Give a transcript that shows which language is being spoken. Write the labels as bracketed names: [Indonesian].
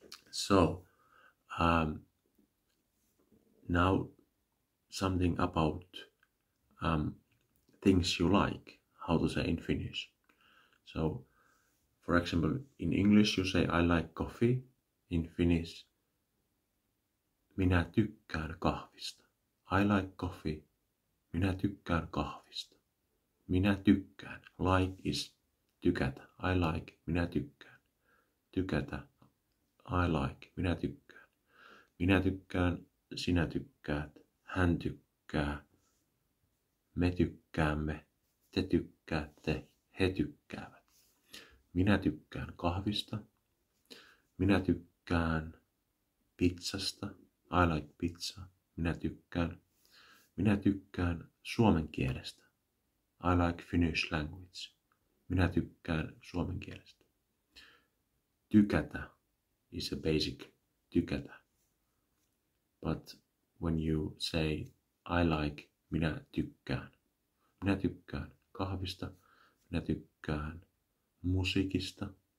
[English] So, now something about things you like, how to say in Finnish. So, for example, in English you say I like coffee. In Finnish, [Finnish] minä tykkään kahvista. [English] I like coffee. [Finnish] Minä tykkään kahvista. Minä tykkään. [English] Like is [Finnish] tykätä. [English] I like. [Finnish] Minä tykkään. Tykätä. I like. Minä tykkään. Minä tykkään. Sinä tykkäät. Hän tykkää. Me tykkäämme. Te tykkäätte. He tykkäävät. Minä tykkään kahvista. Minä tykkään pizzasta. [English] I like pizza. [Finnish] Minä tykkään. Minä tykkään suomen kielestä. [English] I like Finnish language. [Finnish] Minä tykkään suomen kielestä. Tykätä [English] is a basic [Finnish] tykätä. [English] But when you say I like, [Finnish] minä tykkään. Minä tykkään kahvista. Minä tykkään musiikista.